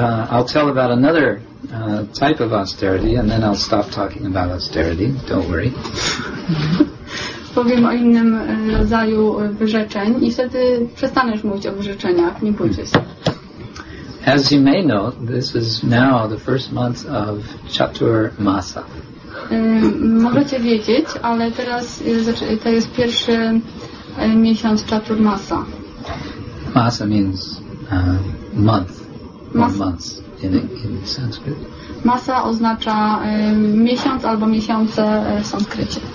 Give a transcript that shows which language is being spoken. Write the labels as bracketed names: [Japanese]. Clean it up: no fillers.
[English] I'll tell about another type of austerity and then I'll stop talking about austerity. Don't worry. [Polish] Powiem o innym rodzaju wyrzeczeń i wtedy przestaniesz mówić o wyrzeczeniach. Nie bójcie się. [English] As you may know, this is now the first month of Chatur Masa. [Polish] Możecie wiedzieć, ale teraz to jest pierwszy miesiąc Chatur Masa. [English] Masa means month. Months in Sanskrit. [Polish] Masa oznacza miesiąc albo miesiące w sanskrycie.